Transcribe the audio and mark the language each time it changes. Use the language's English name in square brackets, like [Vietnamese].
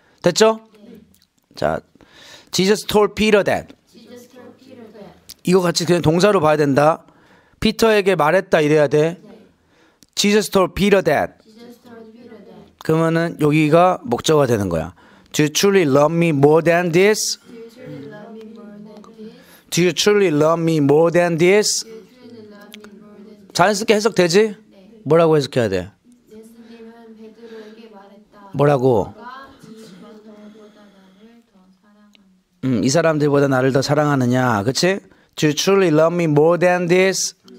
[Korean] 됐죠? 자, [English] Jesus told Peter that. [Korean] 이거 같이 그냥 동사로 봐야 된다. 피터에게 말했다 이래야 돼. [English] Jesus told Peter that. [Korean] 그러면은 여기가 목적어가 되는 거야. [English] Do you truly love me more than this? Do you truly love me more than this? [Korean] 자연스럽게 해석되지? 네. 뭐라고 해석해야 돼? 예수님은 베드로에게 말했다. 뭐라고? 이 사람들보다 나를 더 사랑하느냐. 그치? [English] Do you truly love me more than this?